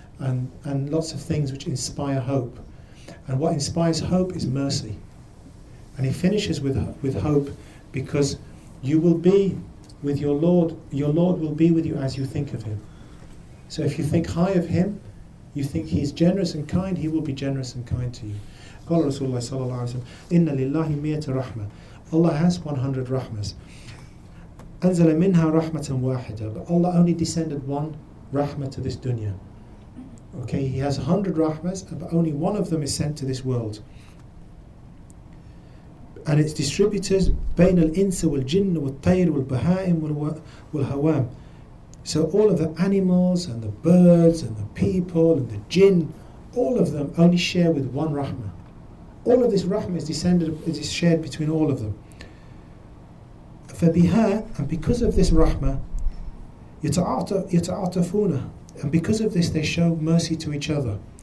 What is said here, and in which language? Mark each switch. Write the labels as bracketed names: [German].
[English] and lots of things which inspire hope. And what inspires hope is mercy. And he finishes with hope, because you will be with your Lord. Your Lord will be with you as you think of him. So if you think high of him, you think he's generous and kind, he will be generous and kind to you. [Arabic] قال رسول الله صلى الله عليه وسلم إن لله مئة رحمة. [English] Allah has 100 rahmas. [Arabic] أنزل منها رحمة واحدة. [English] But Allah only descended one rahmah to this dunya. Okay, he has 100 rahmas, but only one of them is sent to this world. And it's distributed [Arabic] بين الإنس والجن والطير والبهائم والهوام. [English] So all of the animals and the birds and the people and the jinn, all of them only share with one rahmah. All of this rahmah is descended, it is shared between all of them. [Arabic] فبِهَا, [English] and because of this rahmah, [Arabic] يتعاطفونه, [English] and because of this they show mercy to each other.